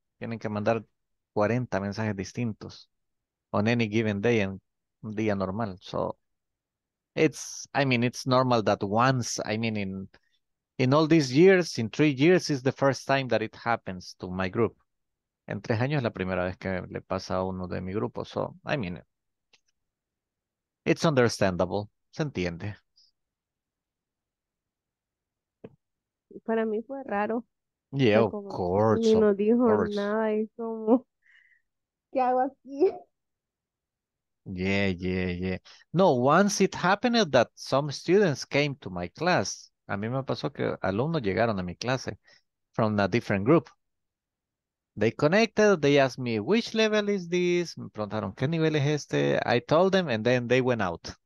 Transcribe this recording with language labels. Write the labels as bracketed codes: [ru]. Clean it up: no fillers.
[es] Tienen que mandar 40 mensajes distintos [en] on any given day [es] and día normal. [en] So it's normal that once, in all these years, in 3 years, is the first time that it happens to my group. [es] En 3 años es la primera vez que le pasa a uno de mi grupo. [en] So, I mean, it's understandable. [es] Se entiende. Para mí fue raro. [en] Yeah, of course. [es] Ni nos dijo nada y como, ¿qué hago aquí? [en] Yeah, yeah, yeah. No, once it happened that some students came to my class. [es] A mí me pasó que alumnos llegaron a mi clase [en] from a different group. They connected, they asked me, which level is this? [es] Me preguntaron, ¿qué nivel es este? [en] I told them, and then they went out.